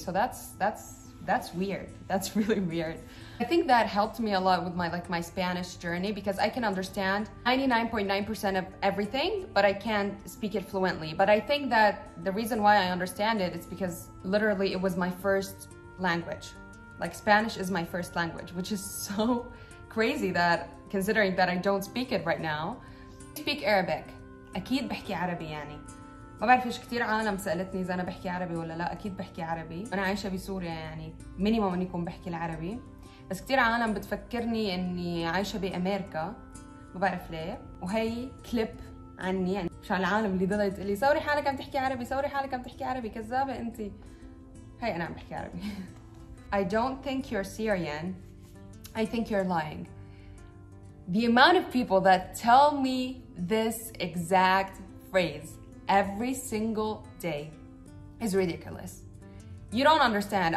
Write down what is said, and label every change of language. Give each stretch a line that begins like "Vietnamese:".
English: So that's weird. That's really weird. I think that helped me a lot with my Spanish journey because I can understand 99.9% of everything, but I can't speak it fluently. But I think that the reason why I understand it is because literally it was my first language. Like, Spanish is my first language, which is so crazy that considering that I don't speak it right now. I speak Arabic.
Arabic: أكيد بحكي عربي يعني. ما بعرف إيش كتير عالم سألتني إذا أنا بحكي عربي ولا لا. أكيد بحكي عربي. أنا عايشة بسوريا يعني. مينيموم إني أكون بحكي العربي. بس كتير عالم بتفكرني إني عايشة بأمريكا. ما بعرف ليه. وهي كليب عني يعني. مش على العالم اللي ضلت لي سوري حالك عم تحكي عربي. سوري حالك عم تحكي عربي. كذابة أنتي. هي أنا عم بحكي عربي.
English: I don't think you're Syrian. I think you're lying. The amount of people that tell me this exact phrase every single day is ridiculous. You don't understand.